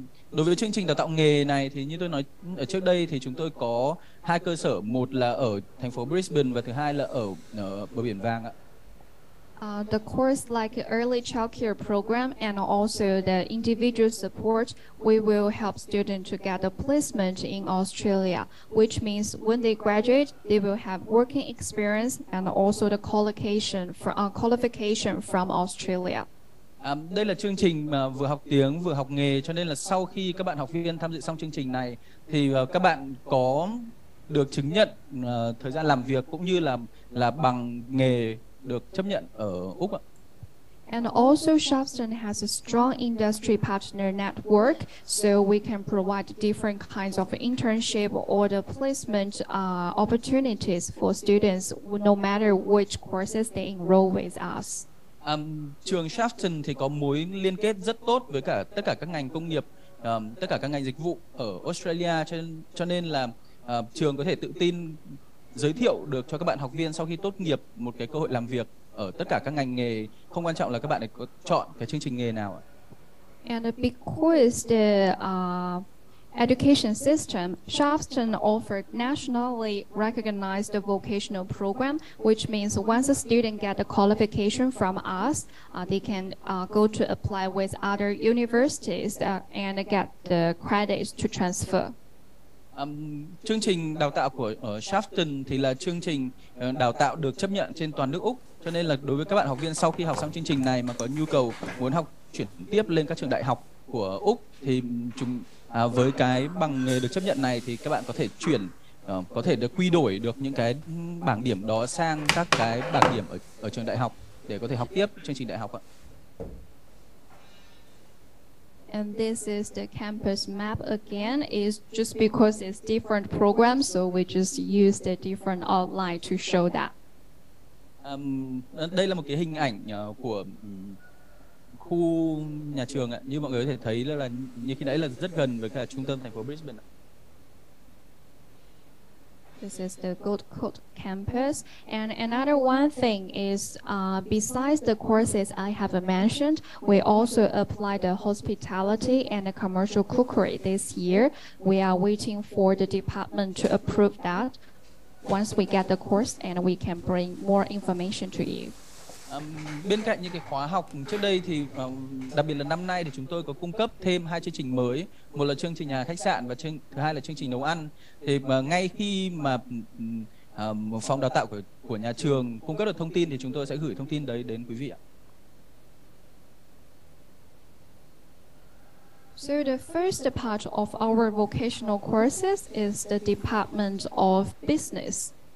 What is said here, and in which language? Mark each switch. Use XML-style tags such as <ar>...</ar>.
<vi>Đối với chương trình đào tạo nghề này thì như tôi nói ở trước đây thì chúng tôi có hai cơ sở, một là ở thành phố Brisbane và thứ hai là ở, ở bờ biển vàng ạ.</vi> <en>The course like early childcare program and also the individual support, we will help students to get a placement in Australia, which means when they graduate, they will have working experience and also the qualification from Australia.</en> <vi>Đây là chương trình mà vừa học tiếng vừa học nghề, cho nên là sau khi các bạn học viên tham dự xong chương trình này thì các bạn có được chứng nhận thời gian làm việc cũng như là bằng nghề được chấp nhận ở Úc ạ.</vi> <en>And also Sharpstone has a strong industry partner network, so we can provide different kinds of internship or the placement opportunities for students no matter which courses they enroll with us.</en> <vi>Trường Sharpstone thì có mối liên kết rất tốt với cả tất cả các ngành công nghiệp, tất cả các ngành dịch vụ ở Australia, cho nên là trường có thể tự tin giới thiệu được cho các bạn học viên sau khi tốt nghiệp một cái cơ hội làm việc ở tất cả các ngành nghề, không quan trọng là các bạn có chọn cái chương trình nghề nào.</vi> <en>And because the education system, Sharpstone offered nationally recognized vocational program, which means once a student get a qualification from us, they can go to apply with other universities and get the credits to transfer.</en> <vi>Chương trình đào tạo của Sharpstone thì là chương trình đào tạo được chấp nhận trên toàn nước Úc, cho nên là đối với các bạn học viên sau khi học xong chương trình này mà có nhu cầu muốn học chuyển tiếp lên các trường đại học của Úc thì với cái bằng nghề được chấp nhận này thì các bạn có thể chuyển có thể được quy đổi được những cái bảng điểm đó sang các cái bảng điểm ở trường đại học để có thể học tiếp chương trình đại học ạ.</vi> <en>And this is the campus map again. It's just because it's different programs, so we just use the different outline to show that.</en> <vi>Đây là một cái hình ảnh của khu nhà trường ạ. Như mọi người có thể thấy là như khi nãy là rất gần với cả trung tâm thành phố Brisbane.</vi> <en>This is the Gold Coast campus. And another one thing is besides the courses I have mentioned, we also applied the hospitality and the commercial cookery this year. We are waiting for the department to approve that. Once we get the course and we can bring more information to you.</en> <vi>Bên cạnh những cái khóa học trước đây thì đặc biệt là năm nay thì chúng tôi có cung cấp thêm hai chương trình mới, một là chương trình nhà khách sạn và thứ hai là chương trình nấu ăn. Thì ngay khi mà phòng đào tạo của nhà trường cung cấp được thông tin thì chúng tôi sẽ gửi thông tin đấy đến quý vị ạ.</vi> <en>So the first part of our vocational courses is the Department of Business.</en>